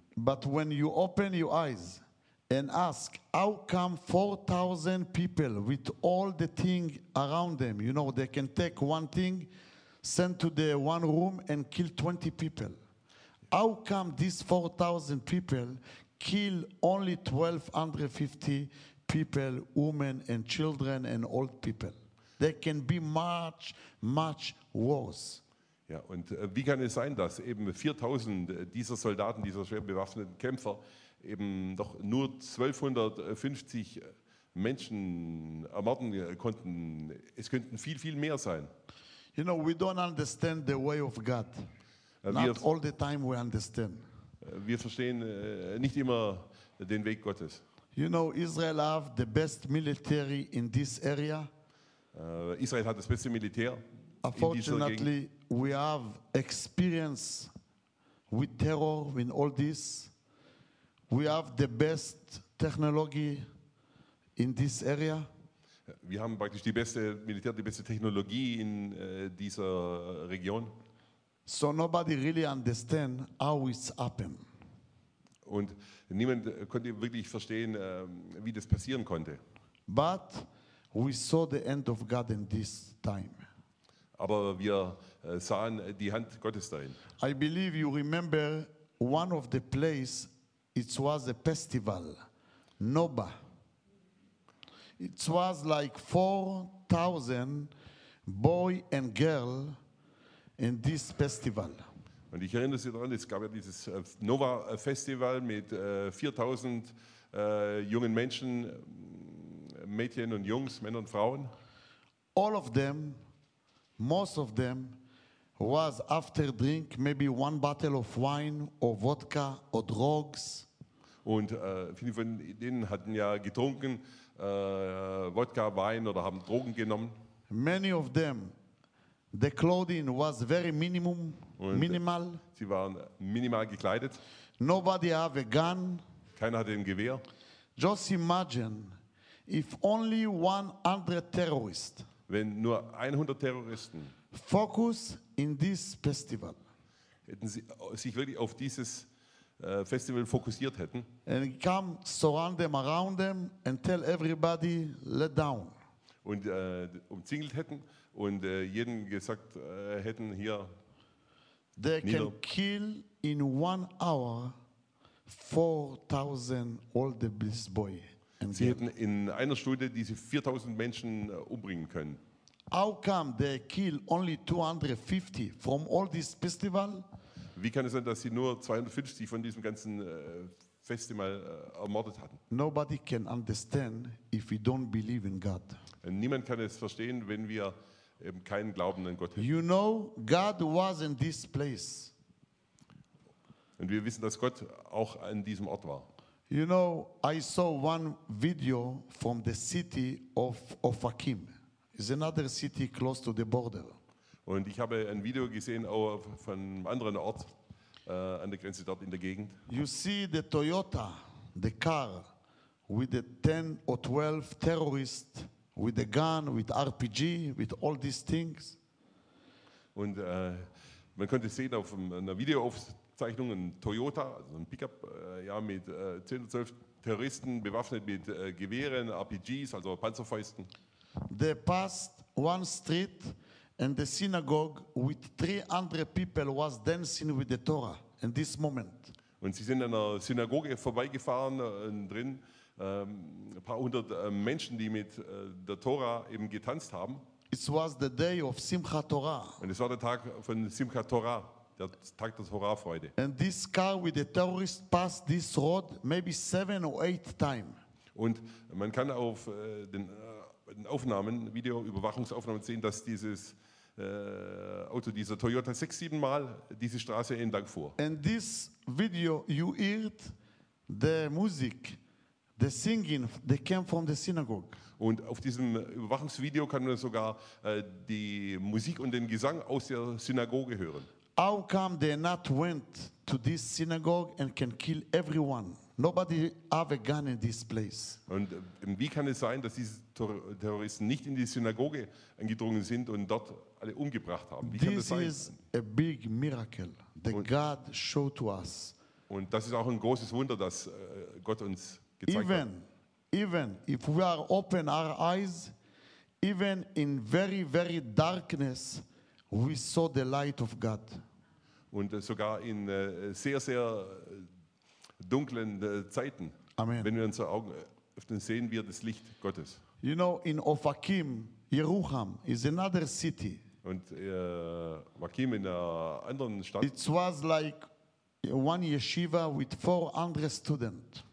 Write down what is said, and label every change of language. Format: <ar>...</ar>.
<en>But when you open your eyes and ask, how come 4,000 people with all the thing around them, you know, they can take one thing, send to the one room and kill 20 people. How come these 4,000 people kill only 1,250 people, women and children and old people? They can be much, much worse.</en> <de>Ja, und wie kann es sein, dass eben 4,000 dieser Soldaten, dieser schwer bewaffneten Kämpfer, eben doch nur 1,250 Menschen ermorden konnten? Es könnten viel, viel mehr sein.</de> <en>You know, we don't understand the way of God. Not all the time we understand.</en> <de>Wir verstehen nicht immer den Weg Gottes.</de> <en>You know, Israel have the best military in this area.</en> <de>Israel hat das beste Militär.</de> <en>Unfortunately, we have experience with terror in all this. We have the best technology in this area.</en> <de>Wir haben praktisch die beste Militär, die beste Technologie in dieser Region.</de> <en>So nobody really understand how it's happened.</en> <de>Und niemand konnte wirklich verstehen, wie das passieren konnte.</de> <en>But we saw the end of God in this time.</en> <de>Aber wir sahen die Hand Gottes darin.</de> <en>I believe you remember one of the place, it was a festival, Noba. It was like 4,000 boy and girl in this festival.</en> <de>Und ich erinnere Sie daran, es gab ja dieses Nova Festival mit 4000 jungen Menschen, Mädchen und Jungs, Männer und Frauen.</de> <en>All of them, most of them, was after drink maybe one bottle of wine or vodka or drugs.</en> <de>Und viele von denen hatten ja getrunken, Wodka, Wein oder haben Drogen genommen.</de> <en>Many of them, the clothing was very minimum,</en> <de>und minimal. Sie waren minimal gekleidet.</de> <en>Nobody have a gun.</en> <de>Keiner hatte ein Gewehr.</de> <en>Just imagine if only 100 terrorists.</en> <de>Wenn nur 100 Terroristen</de> <en>focus in this festival.</en> <de>Hätten sie sich wirklich auf dieses Festival fokussiert hätten.</de> <en>And come surround them around them and tell everybody let down.</en> <de>Und umzingelt hätten und jedem gesagt hätten hier.</de> <en>They can kill in 1 hour 4000 all the best boy.</en> <de>Sie hätten in einer Stunde diese 4000 Menschen umbringen können.</de> <en>How come they kill only 250 from all this festival?</en> <de>Wie kann es sein, dass sie nur 250 von diesem ganzen Festival ermordet hatten?</de> <en>Nobody can understand if we don't believe in God.</en> <de>Niemand kann es verstehen, wenn wir eben keinen Glauben an Gott haben.</de> <en>You know, God was in this place.</en> <de>Und wir wissen, dass Gott auch an diesem Ort war.</de> <en>You know, I saw one video from the city of Ofakim. It's another city close to the border.</en> <de>Und ich habe ein Video gesehen auch von einem anderen Ort an der Grenze dort in der Gegend.</de> <en>You see the Toyota, the car with the 10 or 12 terrorists with a gun, with RPG, with all these things.</en> <de>Und man konnte sehen auf einer Videoaufzeichnung ein Toyota, also ein Pickup mit 10 oder 12 Terroristen bewaffnet mit Gewehren, RPGs, also Panzerfäusten.</de> <en>They passed one street and the synagogue with 300 people was dancing with the Torah in this moment.</en> <de>Und sie sind an einer Synagoge vorbeigefahren drin, ein paar hundert Menschen, die mit der Torah eben getanzt haben.</de> <en>It was the day of Simcha Torah.</en> <de>Und es war der Tag von Simcha Torah, der Tag der Torahfreude.</de> <en>And this car with the terrorist passed this road maybe 7 or 8 times.</en> <de>Und man kann auf den Aufnahmen, Videoüberwachungsaufnahmen sehen, dass dieses Auto, dieser Toyota, 6-7 Mal diese Straße entlang fuhr.</de> <en>In this video, you heard the music, the singing, they came from the synagogue.</en> <de>Und auf diesem Überwachungsvideo kann man sogar die Musik und den Gesang aus der Synagoge hören.</de> <en>How come they not went to this synagogue and can kill everyone? Nobody have a gun in this place.</en> <de>Und wie kann es sein, dass diese Terroristen nicht in die Synagoge eingedrungen sind und dort alle umgebracht haben? Wie</de> <en>this</en> <de>kann das</de> <en>is</en> <de>sein?</de> <en>A big miracle that</en> <de>und,</de> <en>God showed to us.</en> <de>Und das ist auch ein großes Wunder, das Gott uns gezeigt</de> <en>even,</en> <de>hat.</de> <en>Even if we are open our eyes, even in very, very darkness, we saw the light of God.</en> <de>Und sogar in sehr, sehr dunklen Zeiten. Amen. Wenn wir unsere Augen öffnen, sehen wir das Licht Gottes.</de> <en>You know, in Ofakim, Jerucham is another city.</en> <de>Und Ofakim in einer anderen Stadt.</de> <en>It was like one yeshiva with 400 students.</en>